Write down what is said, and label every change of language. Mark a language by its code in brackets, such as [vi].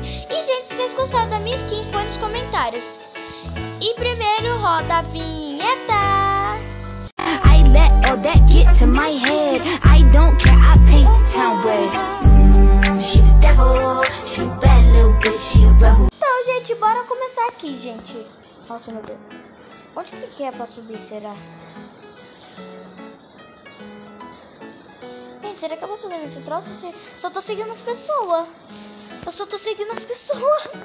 [pt] E, gente, se vocês gostaram da minha skin, põe nos comentários. E primeiro roda a vinheta. [en] I let all that get to my head. I don't care, I paint town red. She the devil, she a bad little bitch, she a rebel. [pt] Então, gente, bora começar aqui, gente. Nossa, meu Deus. Onde que é pra subir, será? Gente, será que eu vou subir nesse troço? Só tô seguindo as pessoas. Eu só tô seguindo as pessoas.